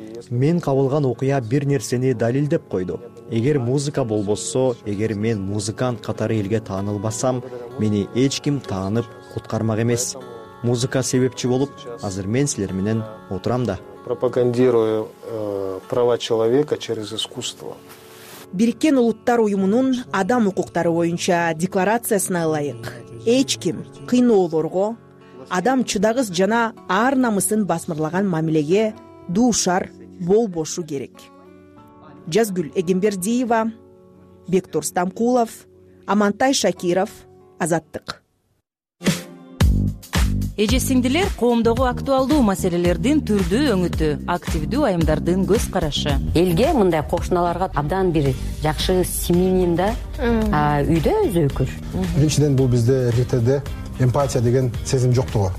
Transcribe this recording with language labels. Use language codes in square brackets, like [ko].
[ky] Мен кабылган окуя бир нерсени далилдеп койду. Эгер музыка болбосо, эгер мен музыкант катары элге таанылбасам, мени эч ким таанып куткармак эмес. Музыка себепчи болуп, азыр мен силер менен отурам да. [ru] Пропагандирую права человека через искусство. [ky] Бириккен улуттар уюмунун адам укуктары боюнча декларациясына ылайык, эч ким кыйноолорго, адам чыдагыс жана ар намысын басмырлаган мамилеге дуушар болбошу керек. Жазгүл Эгембердиева, Бектур Стамкулов, Амантай Шакиров, Азаттык. Эже сиңдилер коомдогу актуалдуу маселелердин түрдүү өңүтү, активдүү айымдардын көз карашы. Элге мындай кошуналарга абдан бир жакшы семьянин да, үйдө өзү өкүр. Биринчиден бул бизде РТД эмпатия деген сезим жоктугу.